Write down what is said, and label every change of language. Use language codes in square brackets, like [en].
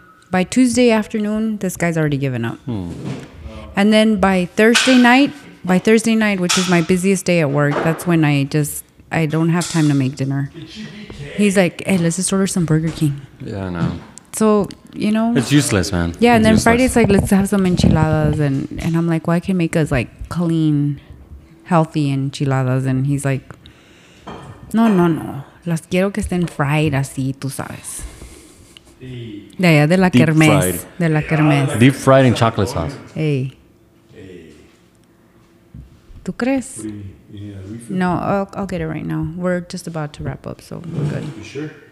[en] By Tuesday afternoon, this guy's already given up. And then by Thursday night, which is my busiest day at work, that's when I don't have time to make dinner. He's like, hey, let's just order some Burger King. Yeah, I know. So, you know. It's useless, man. Yeah, and then Friday's like, let's have some enchiladas. And I'm like, well, I can make us like clean, healthy enchiladas. And he's like, no. [es] Las quiero que estén fried así, tú sabes. De la kermes. [en] Deep fried in chocolate sauce. Hey. [es] ¿Tú crees? [en] No, I'll get it right now. We're just about to wrap up, so we're good. You sure?